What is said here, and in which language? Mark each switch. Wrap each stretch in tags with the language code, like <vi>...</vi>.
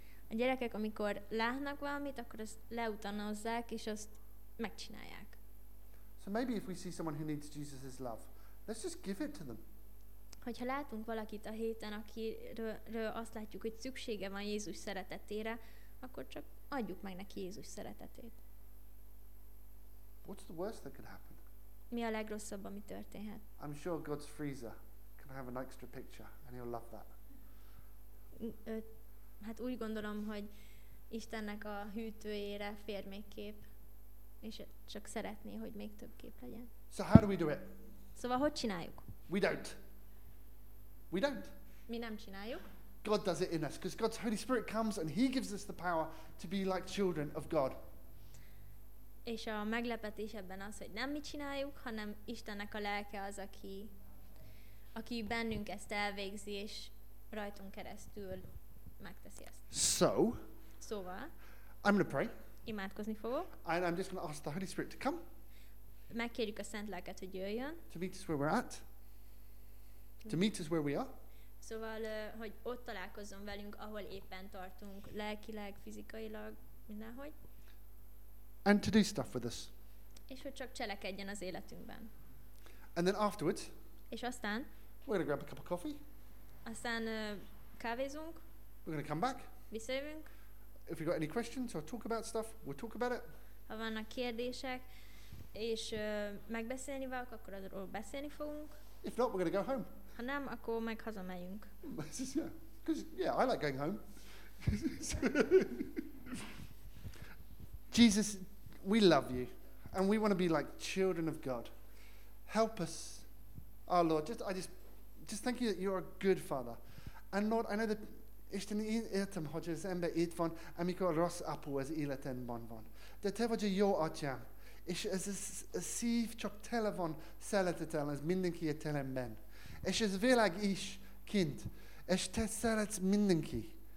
<hu>A gyerekek, amikor látnak valamit, akkor azt leutanozzák, és azt megcsinálják.</hu> <en>So maybe if we see someone who needs Jesus' love, let's just give it to them.</en> <hu>Hogyha látunk valakit a héten, akiről azt látjuk, hogy szüksége van Jézus szeretetére, akkor csak adjuk meg neki Jézus szeretetét.</hu> <en>What's the worst that could happen?</en> <hu>Mi a legrosszabb, ami történhet?</hu> <en>I'm sure God's freezer can have an extra picture, and he'll love that.</en> <hu>Hát úgy gondolom, hogy Istennek a hűtőjére fér még kép, és csak szeretné, hogy még több kép legyen.</hu> <en>So how do we do it?</en> <hu>Szóval hogy csináljuk?</hu> <en>We don't. We don't.</en> <hu>Mi nem csináljuk.</hu> <en>God does it in us, because God's Holy Spirit comes and he gives us the power to be like children of God.</en> <hu>És a meglepetés ebben az, hogy nem mi csináljuk, hanem Istennek a lelke az, aki bennünk ezt elvégzi, és rajtunk keresztül megteszi ezt.</hu> <en>So,</en> <hu>szóval,</hu> <en>I'm going to pray.</en> <hu>Imádkozni fogok.</hu> <en>And I'm just going to ask the Holy Spirit to come.</en> <hu>Megkérjük a Szent Lelket, hogy jöjjön.</hu> <en>To meet us where we're at. To meet us where we are.</en> <hu>Szóval, hogy ott találkozzon velünk, ahol éppen tartunk, lelkileg, fizikailag, mindenhogy.</hu> <en>And to do stuff with us.</en> <hu>És hogy csak cselekedjen az életünkben.</hu> <en>And then afterwards.</en> <hu>És aztán.</hu> <en>We're going to grab a cup of coffee.</en> <hu>Aztán kávézunk.</hu> <en>We're going to come back.</en> <hu>Visszajövünk.</hu> <en>If you've got any questions or talk about stuff, we'll talk about it.</en> <hu>Ha vannak kérdések, és megbeszélni valak, akkor arról beszélni fogunk.</hu> <en>If not, we're going to go home.</en> <hu>Ha nem, akkor meg hazamegyünk.</hu> <en>Because, I like going home. Jesus, we love you. And we want to be like children of God. Help us, our Lord. Just thank you that you're a good father. And Lord, I know that</en> <hu>Isten én értem, hogy az ember itt van, amikor rossz apu az életemben van. De te vagy a jó atyám, és ez a szív csak tele van szeretettel, ez mindenki a teremben. És ez világ is, kint, és te szeretsz mindenki.</hu>